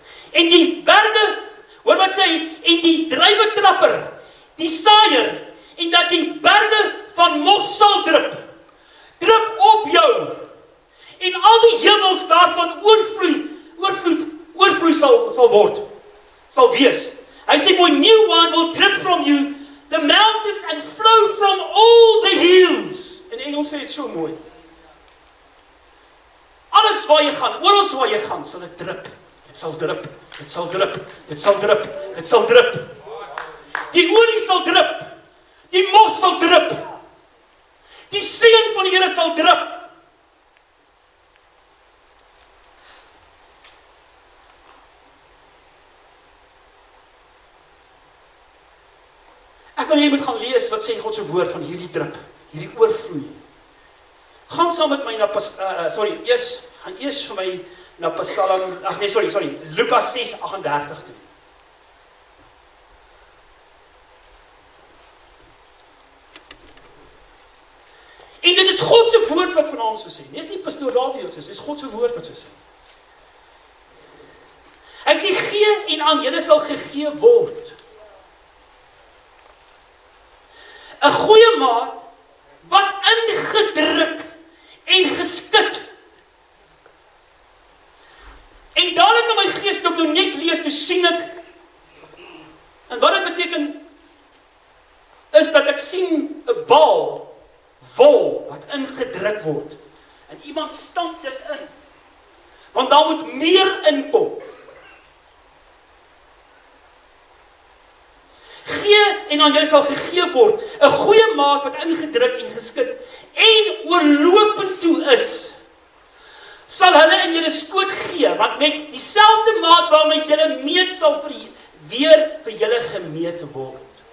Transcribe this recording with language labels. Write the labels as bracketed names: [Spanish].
[Afrikaans] en die berge, hoor wat sê, en die druiwetrapper, die saaier, en dat die berge van mos sal drup op jou, en al die hemels daarvan oorvloed sal wees. [English] Hy sê, my new wine will drip from you, the mountains and flow from all the hills. [Afrikaans] In Engels sê het so mooi. Alles waar jy gaan, oorals waar jy gaan, sal het drip. Dit sal drip. Die olie sal drip. Die mos sal drip. Die seën van die Here sal drip. Ek wil hier moet gaan lees wat sê God se woord van hierdie drip, hierdie oorvloei. Gaan saam met my na Lukas 6:38 toe. En dit is God se woord wat vanaand so sê. Nie is nie pastoor Dawie ons sê, dit is God se woord wat so sê. Hy sê gee en aan julle sal gegee word. 'N goeie maat wat ingedruk en geskit. En dadelik in my gees toe ek net lees, toe sien ek. En wat dit beteken is dat ek sien 'n bal vol wat ingedruk word. En iemand stamp dit in. Want daar moet meer inkom. Gee en aan jou sal gegee word 'n goeie maat wat ingedruk en geskit en oorlopend toe is. Sal hulle in jou skoot gee, want met dieselfde maat waarmee jy meet sal weer vir julle gemeet word.